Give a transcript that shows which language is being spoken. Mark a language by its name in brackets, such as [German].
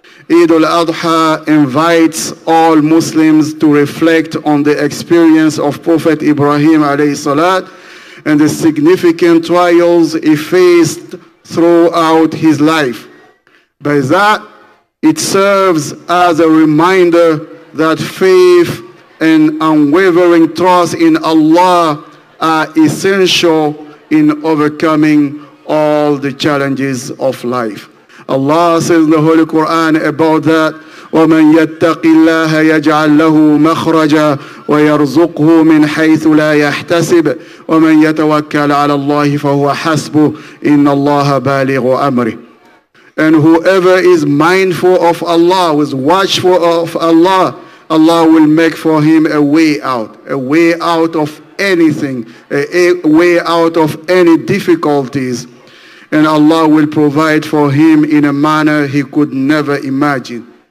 [English] Eid al-Adha invites all Muslims to reflect on the experience of Prophet Ibrahim alayhi salat and the significant trials he faced throughout his life. By that, it serves as a reminder that faith and unwavering trust in Allah are essential in overcoming all the challenges of life. Allah says in the Holy Quran about that, [Arabic] وَمَنْ يَتَّقِ اللَّهَ يَجْعَلْ لَهُ مَخْرَجًا وَيَرْزُقْهُ مِنْ حَيْثُ لَا يَحْتَسِبُ وَمَنْ يَتَوَكَّلْ عَلَى اللَّهِ فَهُوَ حَسْبُهُ إِنَّ اللَّهَ بَالِغُ أَمْرِهِ. [English] And whoever is mindful of Allah, is watchful of Allah, Allah will make for him a way out of anything, a way out of any difficulties. And Allah will provide for him in a manner he could never imagine.